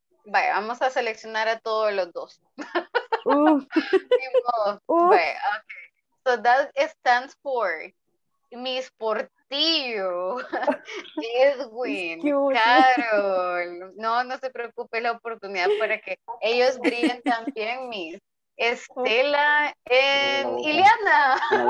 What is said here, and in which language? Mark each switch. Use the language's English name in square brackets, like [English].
[Spanish] Vaya, vamos a seleccionar a todos los dos. Vaya, okay. [English] So that stands for Miss Portillo, Edwin, Carol. [Spanish] No, no se preocupe, la oportunidad para que ellos brillen también, Miss Estela, Ileana.